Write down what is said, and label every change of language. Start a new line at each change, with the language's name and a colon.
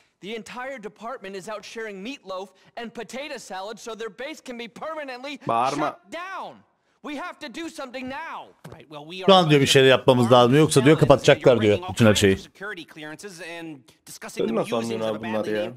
English: The entire department is out sharing meatloaf and potato salad so their base can be permanently shut down. We have to do something now. Right. Well, we are.
Turkish: Şu an diyor bir şeyler yapmamız lazım. Yoksa diyor kapatacaklar diyor bütün her şeyi.
English: Security clearances and discussing the using of abandoned